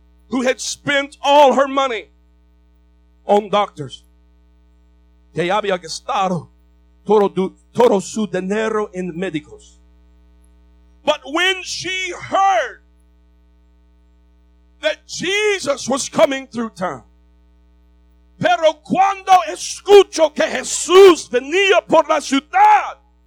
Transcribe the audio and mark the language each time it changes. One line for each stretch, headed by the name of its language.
English: Who had spent all her money on doctors.
Spanish: Que había gastado todo su dinero en médicos.
English: But when she heard that Jesus was coming through town.
Spanish: Pero cuando escuchó que Jesús venía por la ciudad.